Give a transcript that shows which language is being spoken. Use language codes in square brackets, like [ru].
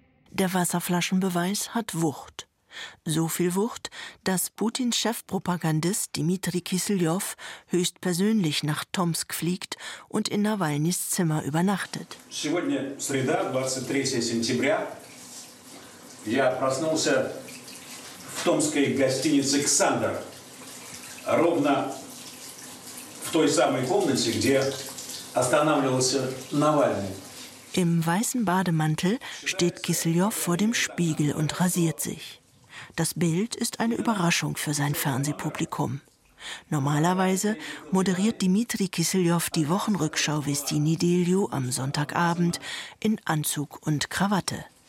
[de] Der Wasserflaschenbeweis hat Wucht. So viel Wucht, dass Putins Chefpropagandist Dmitri Kiselyov höchstpersönlich nach Tomsk fliegt und in Nawalnys Zimmer übernachtet. [ru] Сегодня среда, 23 сентября. Я проснулся в томской гостинице Xander. Ровно в той самой комнате, где останавливался Навальный. [de] Im weißen Bademantel steht Kiselyov vor dem Spiegel und rasiert sich. Das Bild ist eine Überraschung für sein Fernsehpublikum. Normalerweise moderiert Dmitri Kiselyov die Wochenrückschau Vestini Delio am Sonntagabend in Anzug und Krawatte.